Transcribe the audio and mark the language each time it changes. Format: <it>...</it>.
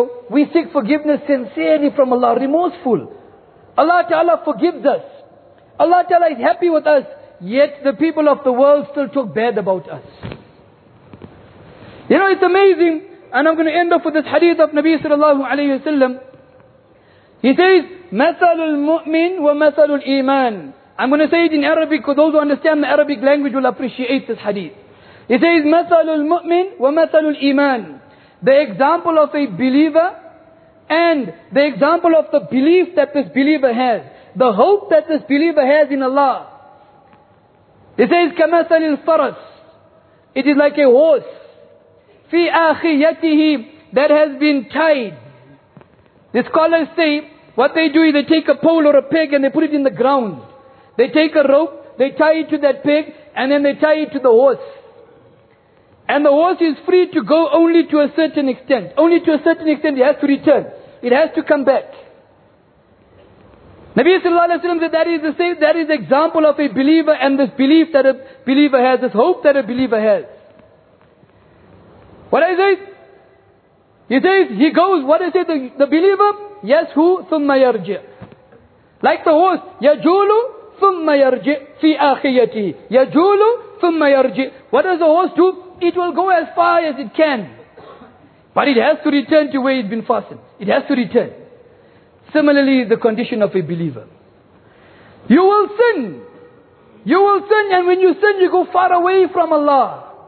<en>we seek forgiveness sincerely from Allah, remorseful. Allah Ta'ala forgives us. Allah Ta'ala is happy with us, yet the people of the world still talk bad about us. You know, it's amazing, and I'm going to end off with this hadith of Nabi Sallallahu Alaihi Wasallam. He says,</en> <ar>مَثَلُ الْمُؤْمِنِ وَمَثَلُ الْإِيمَانِ.</ar> <en>I'm going to say it in Arabic, because those who understand the Arabic language will appreciate this hadith. He says,</en> <ar>مَثَلُ الْمُؤْمِنِ وَمَثَلُ الْإِيمَانِ.</ar> <en>The example of a believer, and the example of the belief that this believer has, the hope that this believer has in Allah. He says,</en> <ar>كَمَثَلِ الْفَرَسِ.</ar> <en>It is like a horse.</en> <ar>فِي أَخِيَتِهِ.</ar> <en>That has been tied. The scholars say, what they do is they take a pole or a peg and they put it in the ground. They take a rope, they tie it to that peg, and then they tie it to the horse. And the horse is free to go only to a certain extent. Only to a certain extent it has to return. It has to come back. Nabi Sallallahu Alaihi Wasallam said, that is the example of a believer, and this belief that a believer has, this hope that a believer has. What is it? He says, he goes, what is it, the believer? Yes, who?</en> <ar>ثُمَّ يَرْجِعْ.</ar> <en>Like the horse,</en> <ar>يَجُولُ ثُمَّ يَرْجِعْ فِي آخِيَتِهِ. يَجُولُ ثُمَّ يَرْجِعْ.</ar> <en>What does the horse do? It will go as far as it can. But it has to return to where it's been fastened. It has to return. Similarly, the condition of a believer. You will sin. You will sin, and when you sin, you go far away from Allah.</en>